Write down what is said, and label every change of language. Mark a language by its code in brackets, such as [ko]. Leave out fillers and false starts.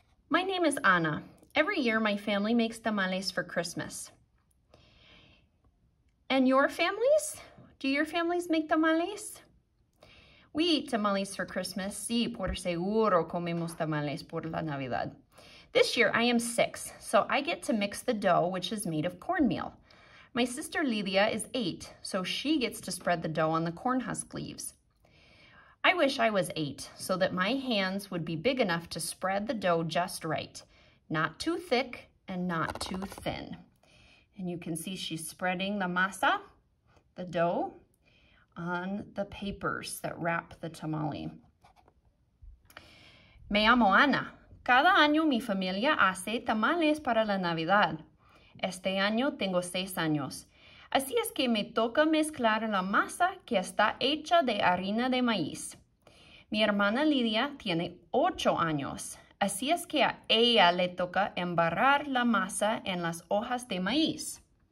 [en] My name is Ana. Every year my family makes tamales for Christmas. And your families? Do your families make tamales? We eat tamales for Christmas. [es] Sí, por seguro comemos tamales por la Navidad. [en] This year, I am 6, so I get to mix the dough, which is made of cornmeal. My sister Lidia is 8, so she gets to spread the dough on the corn husk leaves. I wish I was 8, so that my hands would be big enough to spread the dough just right. Not too thick and not too thin. And you can see she's spreading the masa, the dough, on the papers that wrap the tamale. [es] Me llamo Ana. Cada año mi familia hace tamales para la Navidad. Este año tengo 6 años. Así es que me toca mezclar la masa que está hecha de harina de maíz. Mi hermana Lidia tiene 8 años. Así es que a ella le toca embarrar la masa en las hojas de maíz.